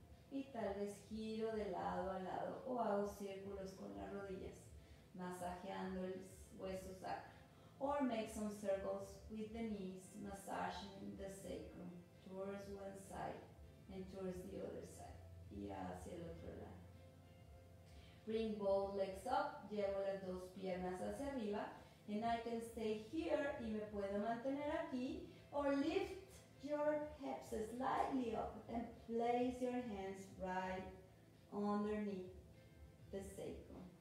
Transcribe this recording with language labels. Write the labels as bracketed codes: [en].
[es] Y tal vez giro de lado a lado, o hago círculos con las rodillas, masajeando el hueso sacro. [en] Or make some circles with the knees, massaging the sacrum towards one side and towards the other side. [es] Y hacia el otro lado. [en] Bring both legs up, [es] llevo las dos piernas hacia arriba. [en] And I can stay here, [es] y me puedo mantener aquí. [en] Or lift your hips slightly up and place your hands right underneath the sacrum.